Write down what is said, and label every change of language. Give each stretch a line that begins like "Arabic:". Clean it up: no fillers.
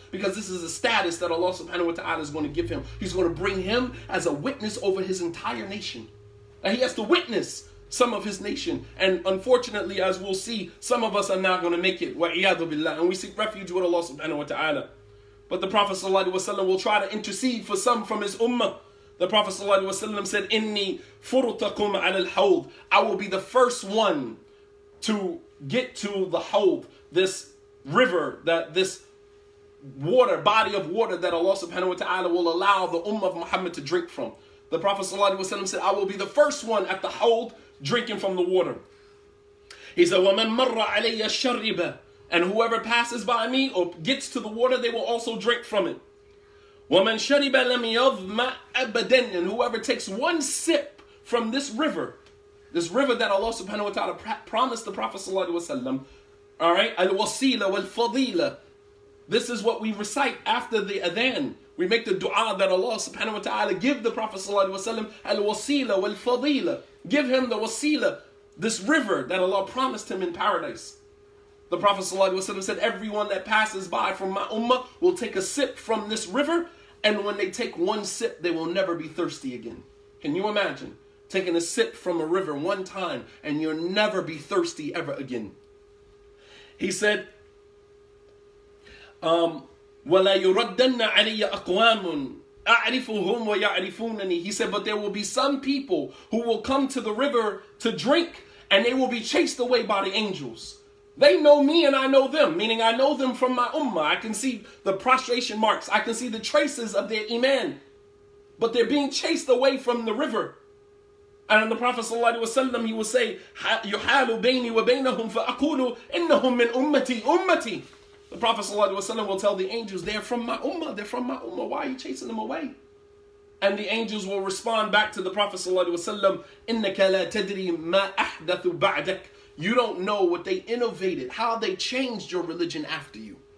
English: Because this is the status that Allah subhanahu wa ta'ala is going to give him. He's going to bring him as a witness over his entire nation. And he has to witness some of his nation. And unfortunately, as we'll see, some of us are not going to make it.
Arabic: وَعِيَادُ بِاللَّهِ.
English: And we seek refuge with Allah subhanahu wa ta'ala. But the Prophet ﷺ will try to intercede for some from his ummah. The Prophet ﷺ said,
Arabic: إِنِّي فُرُتَكُمْ عَلَى الْحَوْضِ.
English: I will be the first one to get to the hawd, this river, that this water, body of water that Allah subhanahu wa ta'ala will allow the ummah of Muhammad to drink from. The Prophet ﷺ said, I will be the first one at the hawd drinking from the water. He said,
Arabic: وَمَن مَرَّ عَلَيَّ شَرِّبَ.
English: And whoever passes by me or gets to the water, they will also drink from it.
Arabic: وَمَن شَرِبَ لَمْ يَظْمَ أَبَدًا.
English: And whoever takes one sip from this river that Allah subhanahu wa ta'ala promised the Prophet sallallahu alayhi wa sallam, all right,
Arabic: الْوَصِيلَ وَالْفَضِيلَ.
English: This is what we recite after the adhan. We make the dua that Allah subhanahu wa ta'ala give the Prophet sallallahu alayhi wa sallam,
Arabic: الْوَصِيلَ وَالْفَضِيلَ.
English: Give him the wasila, this river that Allah promised him in paradise. The Prophet ﷺ said, everyone that passes by from my ummah will take a sip from this river, and when they take one sip, they will never be thirsty again. Can you imagine taking a sip from a river one time and you'll never be thirsty ever again? He said,
Arabic: وَلَا يُرَدَّنَّ عَلَيَّ أَقْوَامٌ أَعْرِفُهُمْ وَيَعْرِفُونَنِي.
English: He said, but there will be some people who will come to the river to drink, and they will be chased away by the angels. They know me and I know them, meaning I know them from my ummah. I can see the prostration marks. I can see the traces of their iman. But they're being chased away from the river. And the Prophet ﷺ, he will say,
Arabic: يُحَالُ بَيْنِي وَبَيْنَهُمْ فَأَقُولُ إِنَّهُمْ مِنْ أُمَّتِي أُمَّتِي.
English: The Prophet ﷺ will tell the angels, they're from my ummah. They're from my ummah. Why are you chasing them away? And the angels will respond back to the Prophet ﷺ,
Arabic: إِنَّكَ لَا تَدْرِي مَا أَحْدَثُ بَعْدَكَ.
English: You don't know what they innovated, how they changed your religion after you.